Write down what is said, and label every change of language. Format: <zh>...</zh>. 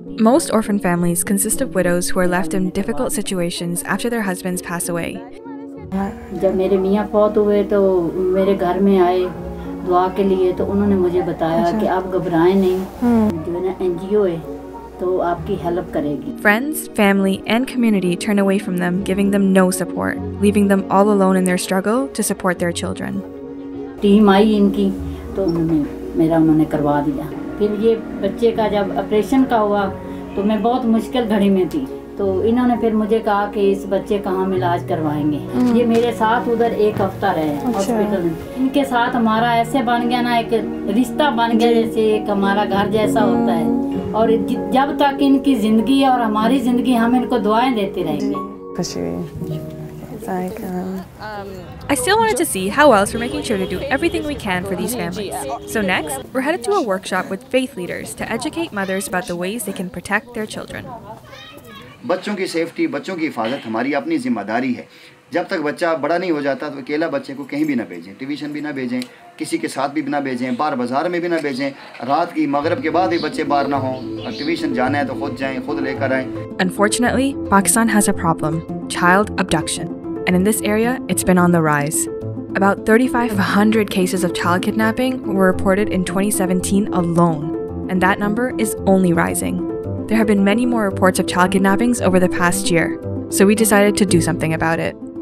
<en>Most orphan families consist of widows who are left in difficult situations after their husbands pass away.</en> <hi>जब मेरे मियां फौत हुए तो मेरे घर में आए दुआ के लिए तो उन्होंने मुझे बताया कि आप घबराएं नहीं जो ना एनजीओ है तो आपकी हेल्प करेगी.</hi> <en>Friends, family and community turn away from them, giving them no support, leaving them all alone in their struggle to support their children.</en> <hi>Team आई इनकी तो उन्होंने मेरा उन्होंने करवा दिया. फिर ये बच्चे का जब ऑपरेशन का हुआ तो मैं बहुत मुश्किल घड़ी में थी तो इन्होंने फिर मुझे कहा कि इस बच्चे का हम इलाज करवाएंगे. ये मेरे साथ उधर एक हफ्ता रहे हॉस्पिटल में. इनके साथ हमारा ऐसे बन गया ना एक रिश्ता बन गया जैसे एक हमारा घर जैसा होता है. और जब तक इनकी जिंदगी और हमारी जिंदगी हम इनको दुआएं देते रहेंगे.</hi> <en>I still wanted to see how else we're making sure to do everything we can for these families. So next, we're headed to a workshop with faith leaders to educate mothers about the ways they can protect their children.</en> <hi>बच्चों की safety, बच्चों की हिफाजत हमारी अपनी जिम्मेदारी है. जब तक बच्चा बड़ा नहीं हो जाता तो अकेला बच्चे को कहीं भी ना भेजें, ट्यूशन भी ना भेजें, किसी के साथ भी ना भेजें, बाहर बाजार में भी ना भेजें, रात की मगरब के बाद भी बच्चे बाहर ना हों. ट्यूशन जाना है तो खुद जाएं, खुद लेकर आएं.</hi> <en>Unfortunately, Pakistan has a problem, child abduction. And in this area, it's been on the rise. About 3,500 cases of child kidnapping were reported in 2017 alone, and that number is only rising. There have been many more reports of child kidnappings over the past year, so we decided to do something about it.</en>